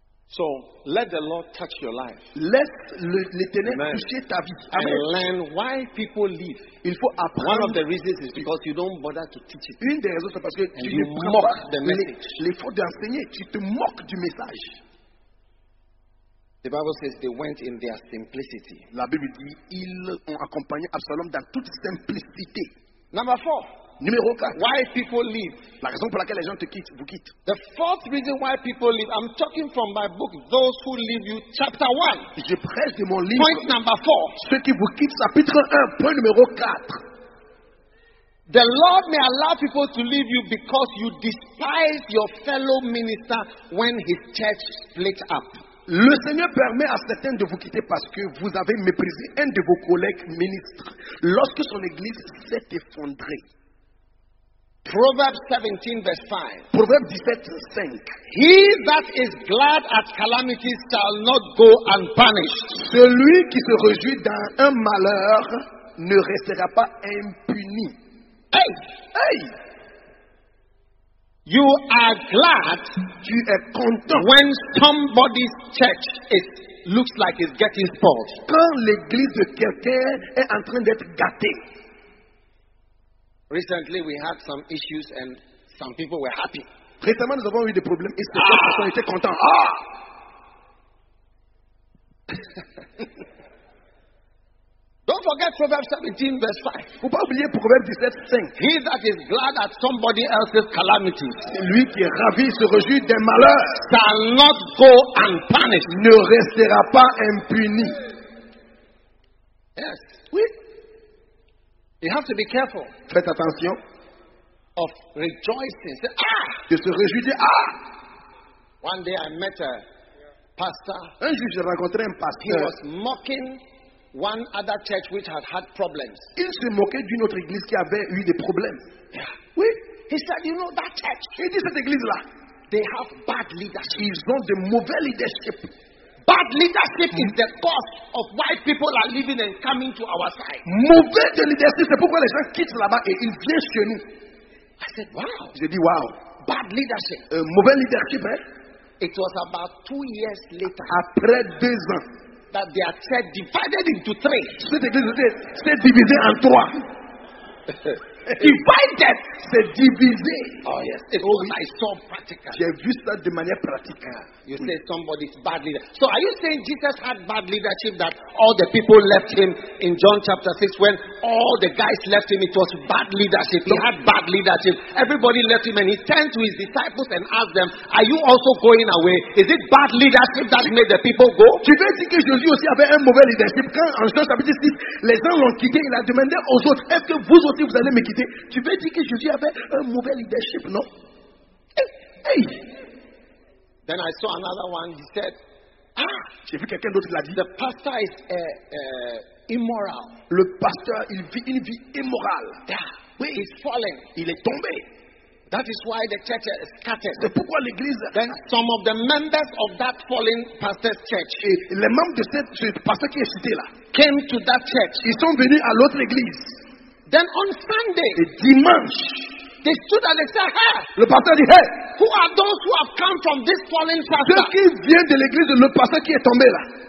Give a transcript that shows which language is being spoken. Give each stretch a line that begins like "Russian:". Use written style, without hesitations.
English: So let the Lord touch your life.
French: Laisse l'Éternel toucher ta vie.
English: Amen. And learn why people leave.
French: Il faut apprendre.
English: One of the reasons is because you don't bother to teach it.
French: Une des raisons c'est parce que
English: and
French: tu moques
English: the message.
French: Les fautes d'enseigner, tu te moques du message.
English: The Bible says they went in their simplicity.
French: La Bible dit ils ont accompagné Absalom dans toute simplicité.
English: Number four.
French: Numéro 4.
English: Why people leave?
French: La raison pour laquelle les gens te quittent, vous quittent.
English: The fourth reason why people leave. I'm talking from my book, Those Who Leave You, chapter 1.
French: Je prêche de mon livre.
English: Point number 4.
French: Ceux qui vous quittent, chapitre 1, point numéro 4.
English: The Lord may allow people to leave you because you despise your fellow minister when his church splits up.
French: Le Seigneur permet à certains de vous quitter parce que vous avez méprisé un de vos collègues ministres lorsque son église s'est effondrée.
English: Proverbs 17, verse 5.
French: Proverbe 17, 5.
English: He that is glad at calamity shall not go unpunished.
French: Celui qui se réjouit dans un malheur ne restera pas impuni. Hey! Hey!
English: You are glad,
French: tu es content,
English: when somebody's church is looks like it's getting spoiled.
French: Quand l'église de quelqu'un est en train d'être gâtée.
English: Recently, we had some issues and some people were happy.
French: Récemment, nous avons eu des problèmes et certaines personnes étaient contentes. Ah!
English: Don't forget Proverbs 17, verse 5.
French: Ne pas oublier Proverbs 17, 5.
English: He that is glad at somebody else's calamity,
French: celui qui est ravi se réjouit des malheurs,
English: shall not go unpunished,
French: ne restera pas impuni.
English: Yes.
French: Oui.
English: You have to be careful.
French: Faites attention.
English: Of rejoicing. Say, ah!
French: De se réjouir. Ah!
English: One day I met a pastor.
French: Un jour, j'ai rencontré un pasteur.
English: He was mocking one other church which had had problems.
French: Il se moquait d'une autre église qui avait eu des problèmes.
English: Yeah.
French: Oui.
English: He said, you know that church?
French: Il dit cette église-là.
English: They have bad leadership.
French: Ils ont de mauvais leadership.
English: Bad leadership is the cause of why people are leaving and coming to our side.
French: Mauvais de leadership, c'est pourquoi les gens quittent là-bas et ils viennent chez nous.
English: I said, wow.
French: J'ai dit, wow.
English: Bad leadership.
French: Mauvais leadership, hein?
English: It was about 2 years later.
French: Après 2 ans.
English: That their church divided into three.
French: Cette église s'est divisée en trois.
English: Divided.
French: C'est divisé.
English: Oh yes. It's oh, what I saw practical.
French: J'ai vu ça de manière pratique.
English: You say somebody's bad leader. So are you saying Jesus had bad leadership that all the people left him in John chapter 6 when all the guys left him? It was bad leadership. He had bad leadership. Everybody left him and he turned to his disciples and asked them, are you also going away? Is it bad leadership that made the people go?
French: Tu veux dire que Jésus aussi avait un mauvais leadership? Quand en Jean chapitre 6, les gens l'ont quitté, il a demandé aux autres, est-ce que vous aussi vous allez me quitter? Tu veux dire que Jésus avait un mauvais leadership, non? Hey!
English: Then I saw another one. He said,
French: Ah, j'ai vu quelqu'un d'autre qui l'a dit.
English: The pastor is immoral.
French: Le pasteur, il vit une vie immorale.
English: Yeah.
French: Oui,
English: he's fallen.
French: Il est tombé.
English: That is why the church is scattered.
French: C'est pourquoi l'église.
English: Then some of the members of that fallen pastor's church.
French: Les membres de cette pasteur qui est cité là.
English: Came to that church.
French: Ils sont venus à l'autre église.
English: Then on Sunday.
French: Le dimanche.
English: They stood and they said, hey,
French: le pasteur dit, hey,
English: who are those who have come from this fallen pastor?
French: Ceux qui viennent de l'église, le pasteur qui est tombé là.